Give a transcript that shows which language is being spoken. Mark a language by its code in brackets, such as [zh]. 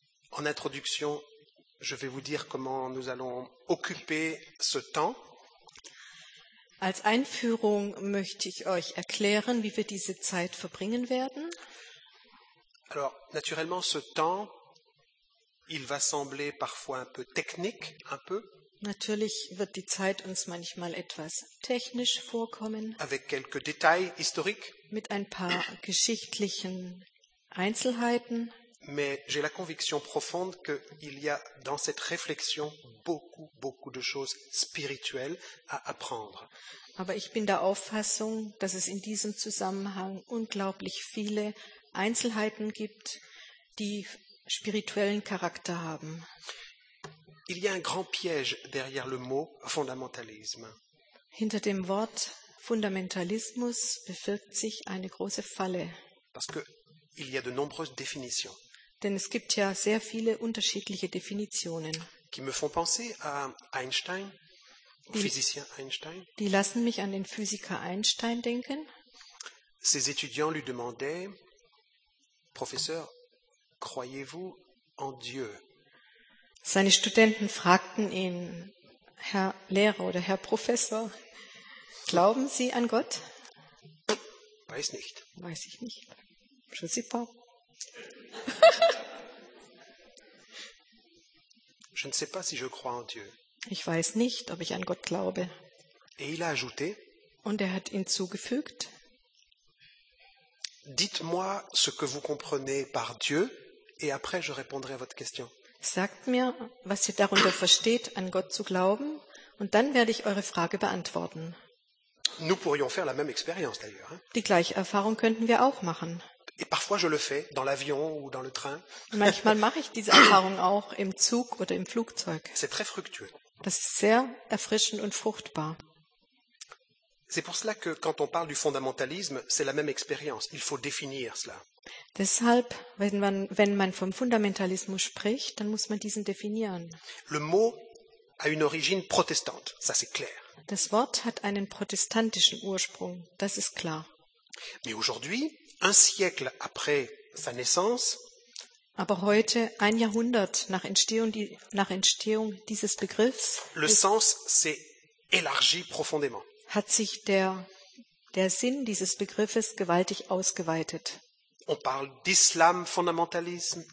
[fr] En introduction, je vais vous dire comment nous allons occuper ce temps. [de] Als Einführung möchte ich euch erklären, wie wir diese Zeit verbringen werden. [fr] Alors, naturellement, ce temps, il va sembler parfois un peu technique, un peu. [de] Natürlich wird die Zeit uns manchmal etwas technisch vorkommen. [fr] Avec quelques détails historiques. [de] Mit ein paar geschichtlichen Einzelheiten. [fr] Mais j'ai la conviction profonde qu'il y a dans cette réflexion beaucoup, beaucoup de choses spirituelles à apprendre. [de] Aber ich bin der Auffassung, dass es in diesem Zusammenhang unglaublich viele Einzelheiten gibt, die spirituellen Charakter haben. [fr] Il y a un grand piège derrière le mot fondamentalisme. [de] Hinter dem Wort Fundamentalismus befindet sich eine große Falle. [fr] Parce que il y a de nombreuses définitions. [de] Denn es gibt ja sehr viele unterschiedliche Definitionen. [fr] Qui me font penser à Einstein, au physicien Einstein. [de] Die lassen mich an den Physiker Einstein denken. [fr] Ses étudiants lui demandaient: Professeur, croyez-vous en Dieu? [de] Seine Studenten fragten ihn: Herr Lehrer oder Herr Professor, glauben Sie an Gott? Weiß nicht. Weiß ich nicht. [fr] Je ne sais pas. Je ne sais pas si je crois en Dieu. [de] Ich weiß nicht, ob ich an Gott glaube. [fr] Et il a ajouté, [de] und er hat hinzugefügt: [fr] Dites-moi ce que vous comprenez par Dieu et après je répondrai à votre question. [de] Sagt mir, was ihr darunter versteht, an Gott zu glauben, und dann werde ich eure Frage beantworten. [fr] Nous pourrions faire la même expérience, d'ailleurs. [de] Die gleiche Erfahrung könnten wir auch machen. [fr] Et parfois je le fais, dans l'avion ou dans le train. [de] Manchmal mache ich diese Erfahrung auch im Zug oder im Flugzeug. [fr] C'est très fructueux. [de] Das ist sehr erfrischend und fruchtbar. [fr] C'est pour cela que quand on parle du fondamentalisme, c'est la même expérience. Il faut définir cela. [de] Deshalb, wenn man vom Fundamentalismus spricht, dann muss man diesen definieren. [fr] Le mot a une origine protestante, ça c'est clair. [de] Das Wort hat einen protestantischen Ursprung, das ist klar. [fr] Mais aujourd'hui, un siècle après sa naissance, [de] aber heute, ein Jahrhundert nach Entstehung dieses Begriffs, [fr] le sens s'est élargi profondément. [de] Hat sich der Sinn dieses Begriffes gewaltig ausgeweitet. [fr] On parle d'islam fondamentalisme.